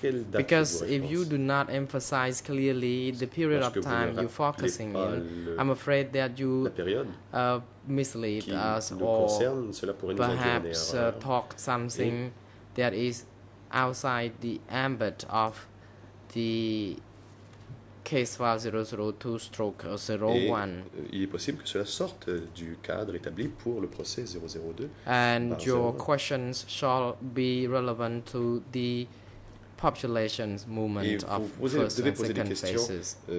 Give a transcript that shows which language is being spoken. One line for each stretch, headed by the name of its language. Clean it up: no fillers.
English: Because if you do not emphasize clearly the period of time you're focusing in, I'm afraid that you mislead us or perhaps talk something that is outside the ambit of the case file 002/01.
French: Il est possible que cela sorte du cadre établi pour le procès 002.
English: And your questions shall be relevant to the population movement of first and second phases.